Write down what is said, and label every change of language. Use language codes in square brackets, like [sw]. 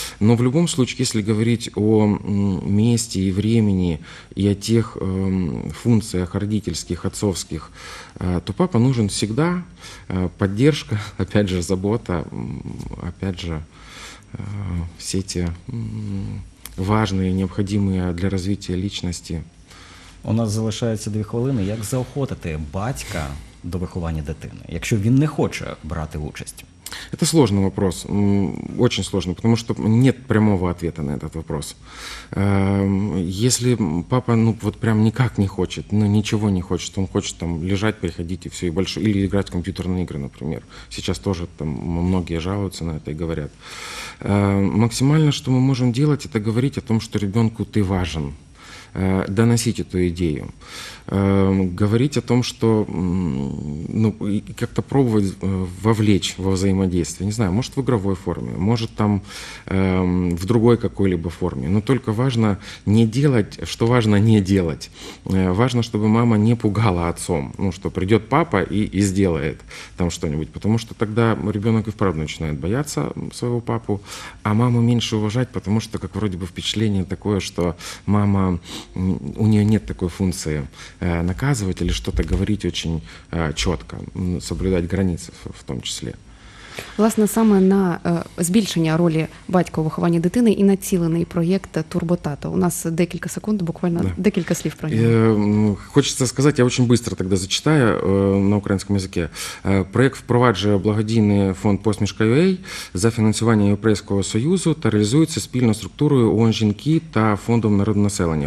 [ru] Но в любом случае, если говорить о месте и времени, и о тех функциях родительских, отцовских, то папа нужен всегда. Поддержка, опять же, забота, опять же, все эти важные, необходимые для развития личности. [uk] У нас залишається 2 хвилини. Як заохотити батька до виховання дитини, якщо він не хоче брати участь? [ru] Это сложный вопрос, очень сложный, потому что нет прямого ответа на этот вопрос. Если папа, ну, вот прям никак не хочет, ну, ничего не хочет, он хочет там лежать, приходить и все, и больше, или играть в компьютерные игры, например. Сейчас тоже там многие жалуются на это и говорят. Максимально, что мы можем делать, это говорить о том, что ребенку ты важен. Доносить эту идею, говорить о том, что ну, как-то пробовать вовлечь во взаимодействие, не знаю, может в игровой форме, может там в другой какой-либо форме, но только важно не делать, что важно не делать. Важно, чтобы мама не пугала отцом, ну, что придет папа и сделает там что-нибудь, потому что тогда ребенок и вправду начинает бояться своего папу, а маму меньше уважать, потому что как вроде бы впечатление такое, что мама... У нее нет такой функции наказывать или что-то говорить очень четко, соблюдать границы в том числе. [uk] Власне, саме на збільшення ролі батька у вихованні дитини і націлений проєкт «Турботато». У нас декілька секунд, буквально да. Декілька слів про нього. Хочеться сказати, я дуже швидко тоді зачитаю на українському мові. Проєкт впроваджує благодійний фонд «Посмішка.UA» за фінансування Європейського Союзу та реалізується спільно структурою ООН «Жінки» та фондом народонаселення.